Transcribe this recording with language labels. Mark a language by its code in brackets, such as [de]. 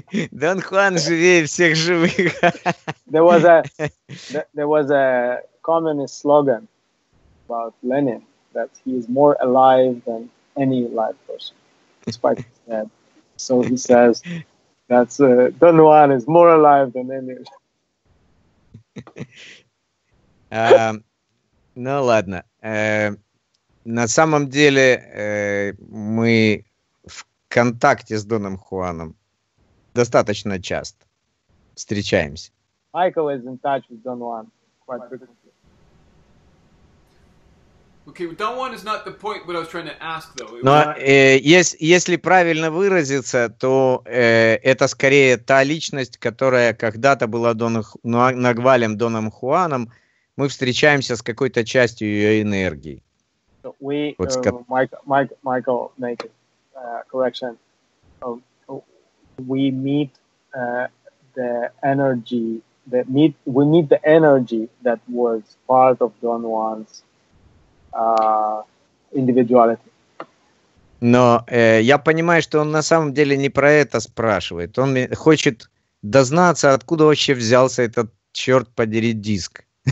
[ru] Дон Хуан живее всех живых. [en] There was a communist slogan about Lenin that he is more alive than any live person, despite his death. So he says that Дон Хуан is more alive than any. [ru] Ну ладно. На самом деле мы в контакте с Доном Хуаном достаточно часто встречаемся. [en] Michael is in touch with Don Juan quite frequently. Okay, but Don Juan is not the point what I was trying to ask, though. [ru] Если правильно выразиться, то это скорее та личность, которая когда-то была Нагвалем Доном Хуаном. Мы встречаемся с какой-то частью ее энергии. [en] Michael, make a correction. We meet the energy that we meet the energy that was part of Don Juan's individuality. [ru] Но я понимаю, что он на самом деле не про это спрашивает. Он хочет дознаться, откуда вообще взялся этот черт подери диск.